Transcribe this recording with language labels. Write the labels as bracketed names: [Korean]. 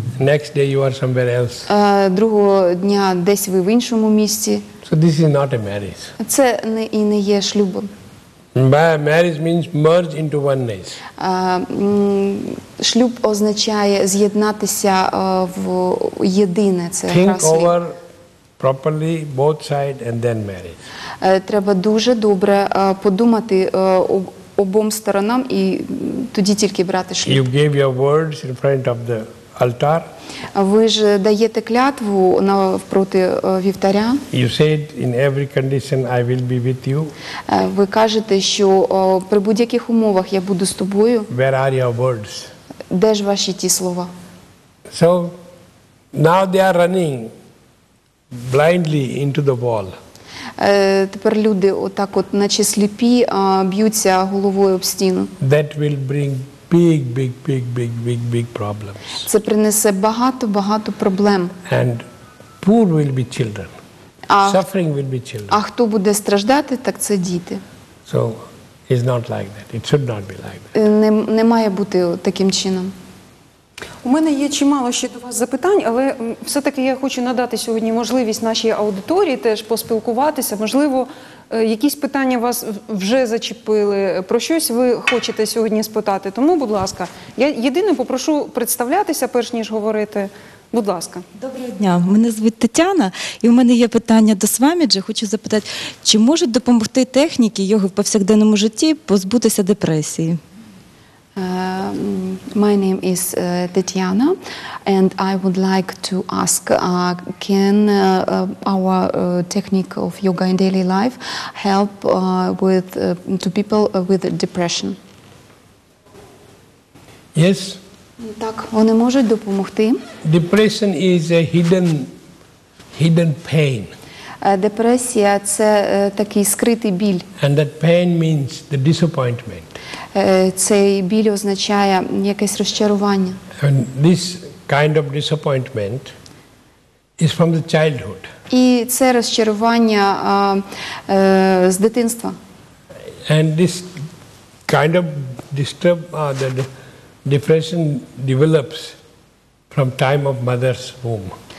[English] Next day you are somewhere else. [Ukrainian] Другого дня десь ви в іншому місці. [English] So this is not a marriage. [Ukrainian] Це не і не є шлюбом. [English] Marriage means merge into oneness. [Ukrainian] Шлюб означає з'єднатися в єдине. Це [English] think over properly both sides and then marriage. [Ukrainian] Треба дуже добре подумати обом сторонам і тоді тільки брати шлюб. [English] You gave your words in front of the altar. [Ukrainian] Ви ж даєте клятву навпроти вівтаря. [English] You said in every condition I will be with you. [Ukrainian] Ви кажете, що при будь-яких умовах я буду з тобою. [English] Where are your words? [Ukrainian] Де ж ваші ті слова? [English] So now they are running blindly into the wall. [Ukrainian] Тепер люди отак от наче сліпі б'ються головою об стіну. [English] That will bring big problems. [Ukrainian] Це принесе багато проблем. [English] And poor will be children. Suffering will be children. [Ukrainian] А хто буде страждати, так це діти. [English] So it's not like that. It should not be like that. [Ukrainian] Не має бути таким чином. У мене є чимало ще до вас запитань, але все-таки я хочу надати сьогодні можливість нашій аудиторії теж поспілкуватися. Можливо, якісь питання вас вже зачепили, про щось ви хочете сьогодні спитати. Тому, будь ласка, я єдине попрошу представлятися, перш ніж говорити. Будь ласка. Доброго дня. Мене звуть Тетяна, і в мене є питання до Свамиджі. Хочу запитати, чи можуть допомогти техніки йоги в повсякденному житті позбутися депресії? [English] My name is Tatiana, and I would like to ask, can our technique of yoga in daily life help with to people with depression? Yes. [Ukrainian] Так, вони можуть допомогти. [English] Depression is a hidden pain. [Ukrainian] Депресія – це такий скритий біль. [English] And that pain means the disappointment. [Ukrainian] Цей біль означає якесь розчарування. [English] And this kind of disappointment is from the childhood. [Ukrainian] І це розчарування з дитинства. [English] And this kind of depression develops from time of mother's womb.